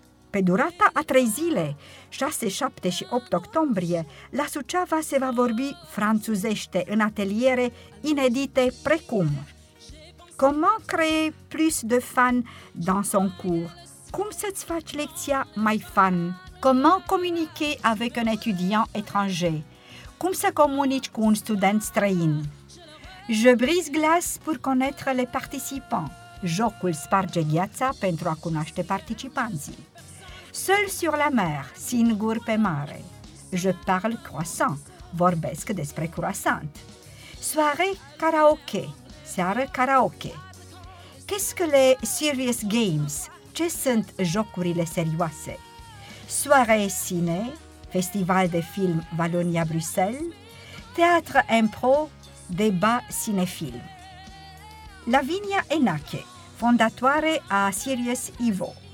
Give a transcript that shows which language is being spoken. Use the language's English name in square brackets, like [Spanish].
[Romanian] Pe durata a 3 zile, 6, 7 și 8 octombrie, la Suceava se va vorbi franțuzește în ateliere inedite precum [French] Comment créer plus de fans dans son cours? [Romanian] Cum să-ți faci lecția mai fun? [French] Comment communiquer avec un étudiant étranger? [Romanian] Cum să comunici cu un student străin? [French] Je brise glace pour connaître les participants. [Romanian] Jocul sparge gheața pentru a cunoaște participanții. [French] Seul sur la mer, [Romanian] singur pe mare. [French] Je parle croissant. [Romanian] Vorbesc despre croissant. [French] Soirée karaoke. [Romanian] Seară karaoke. [French] Qu'est-ce que les serious games? [Romanian] Ce sunt jocurile serioase? [French] Soirée ciné, festival de film Valonia-Bruxelles, théâtre impro, débat cinéfilm. [Romanian] Lavinia Enache, fondatoare a Sirius Evo.